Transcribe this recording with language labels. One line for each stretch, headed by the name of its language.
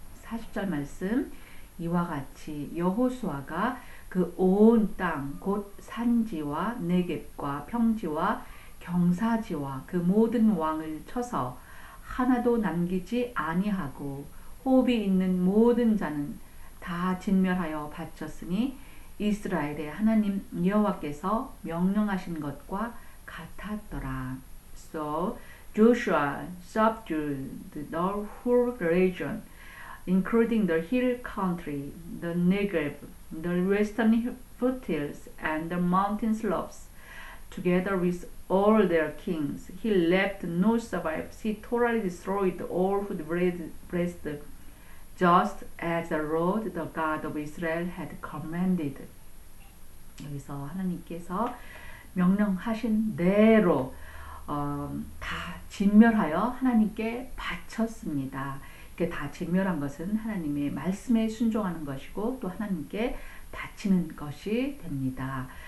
Korean: 40절 말씀 이와 같이 여호수아가 그 온 땅 곧 산지와 네겝과 평지와 경사지와 그 모든 왕을 쳐서 하나도 남기지 아니하고 호흡이 있는 모든 자는 다 진멸하여 바쳤으니 이스라엘의 하나님 여호와께서 명령하신 것과 같았더라.
English: So Joshua subdued the whole region, including the hill country, the Negev, the western foothills, and the mountain slopes, together with all their kings. He left no survivors. He totally destroyed all who breathed, just as the Lord, the God of Israel, had commanded.
Korean: 여기서 하나님께서 명령하신 대로 다 진멸하여 하나님께 바쳤습니다. 이렇게 다 진멸한 것은 하나님의 말씀에 순종하는 것이고 또 하나님께 바치는 것이 됩니다.